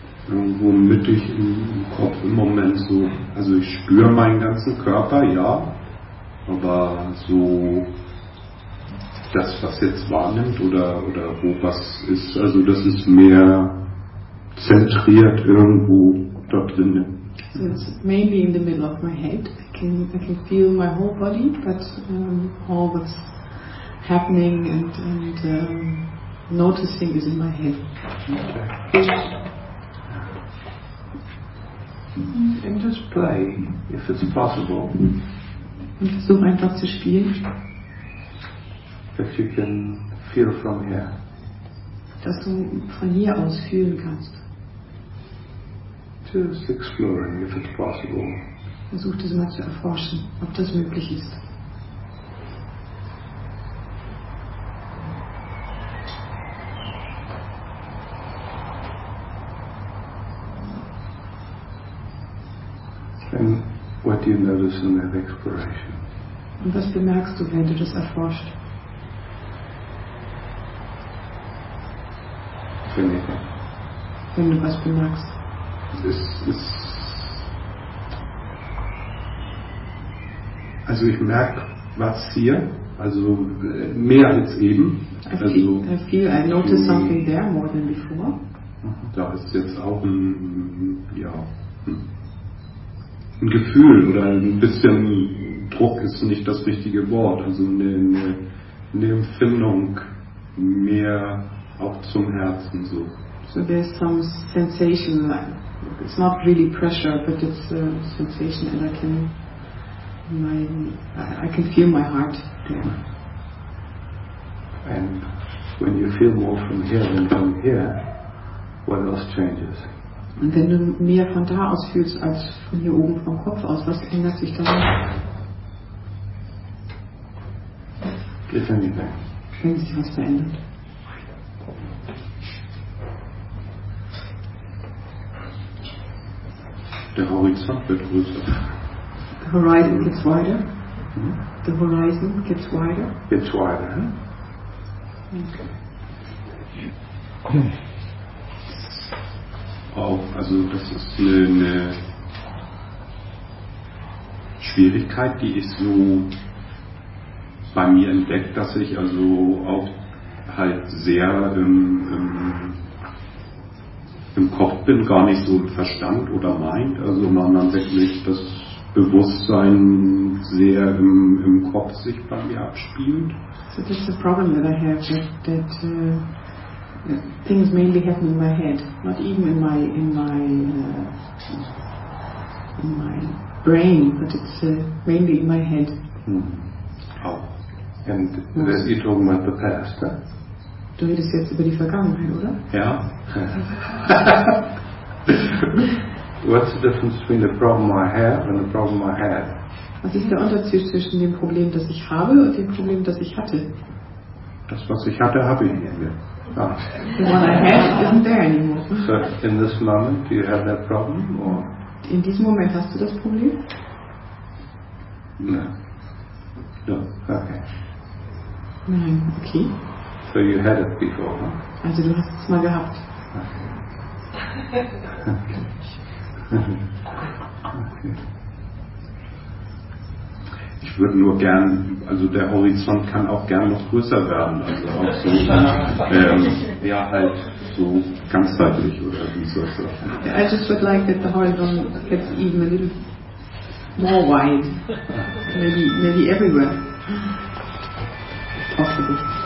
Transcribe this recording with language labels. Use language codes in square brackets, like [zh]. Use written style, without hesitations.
[de] Irgendwo mittig im Kopf im Moment so. Also ich spüre meinen ganzen Körper, ja. Aber so das, was jetzt wahrnimmt oder wo was ist, also das ist mehr zentriert irgendwo da drinnen. [en] So it's mainly in the middle of my head. I can feel my whole body, but all that's happening and noticing is in my head. Okay. And just play, if it's possible. [de] Und versuch einfach zu spielen. [en] That you can feel from here. [de] Dass du von hier aus fühlen kannst. [en] Just exploring if it's possible. [de] Versucht es mal zu erforschen, ob das möglich ist. [en] And what do you notice in that exploration? [de] Und was bemerkst du, wenn du das erforscht? Wenn du was bemerkst. Also ich merke was hier, also mehr als eben. [en] I noticed something there more than before. [de] Da ist jetzt auch ein Gefühl oder ein bisschen Druck ist nicht das richtige Wort. Also eine Empfindung mehr auch zum Herzen so. [en] So there's some sensation like. It's not really pressure, but it's a sensation, and I can feel my heart there. And when you feel more from here than from here, what else changes? [de] Und wenn du mehr von da aus fühlst als von hier oben vom Kopf aus, was ändert sich dann? [en] If anything. [de] Wenn sich was verändert. Der Horizont wird größer. [en] The horizon gets wider. The horizon gets wider. Gets wider. Okay. [de] auch, also das ist eine Schwierigkeit, die ich so bei mir entdeckt, dass ich also auch halt sehr im Kopf bin, gar nicht so im Verstand oder Mind, also man dann wirklich das Bewusstsein sehr im Kopf sich bei mir abspielt. [en] So that's the problem that I have, that things mainly happen in my head, not even in my brain, but it's mainly in my head. Oh, and that's you're talking about the past, huh? [de] Du redest jetzt über die Vergangenheit, oder? Ja. [en] What's the difference between the problem I have and the problem I had? [de] Was ist der Unterschied zwischen dem Problem, das ich habe, und dem Problem, das ich hatte? Das, was ich hatte, habe ich nicht mehr. [en] The one I had isn't there anymore. So in this moment, do you have that problem? Or? [de] In diesem Moment hast du das Problem? [en] No. [de] Okay. Nein, okay. [en] So you had it before, huh? [de] Also du hast es mal gehabt. [en] Okay. [de] Ich würde nur gern, also der Horizont kann auch gern noch größer werden, also auch so ja halt so ganzheitlich oder wie soll ich sagen. [en] I just would like that the horizon gets even a little more wide. Maybe everywhere. Possibly.